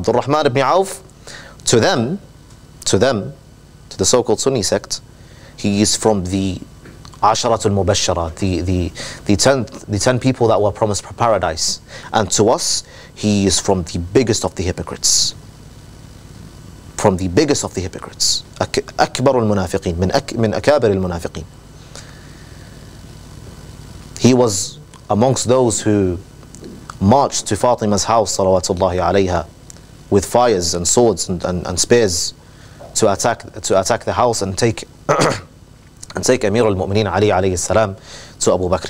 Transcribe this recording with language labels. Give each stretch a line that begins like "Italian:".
English: Abd al-Rahman ibn Auf, to them, to the so-called Sunni sect, he is from the Asharat al-Mubashara, the ten people that were promised paradise. And to us, he is from the biggest of the hypocrites. From the biggest of the hypocrites.
Arabic: أكبر المنافقين من أكابر المنافقين.
English: He was amongst those who marched to Fatima's house,
Arabic: صلوات الله عليها,
English: with fires and swords and spears to attack the house and take Amir al-Mu'mineen Ali
Arabic: عليه السلام
English: to Abu Bakr.